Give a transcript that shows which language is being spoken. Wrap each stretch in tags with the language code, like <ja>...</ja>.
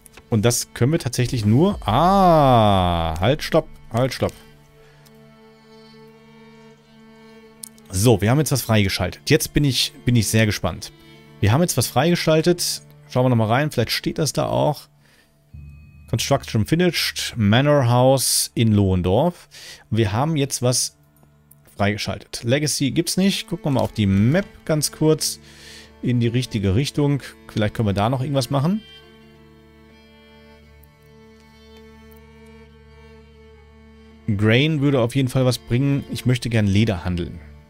<de>Und das können wir tatsächlich nur... Ah, halt, stopp. So, wir haben jetzt was freigeschaltet. Jetzt bin ich sehr gespannt. Wir haben jetzt was freigeschaltet. Schauen wir nochmal rein, vielleicht steht das da auch.</de> <en>Construction finished, Manor House in Lohendorf.</en> <de>Wir haben jetzt was freigeschaltet. Legacy gibt's nicht. Gucken wir mal auf die Map ganz kurz in die richtige Richtung. Vielleicht können wir da noch irgendwas machen. Grain würde auf jeden Fall was bringen. Ich möchte gern Leder handeln.</de>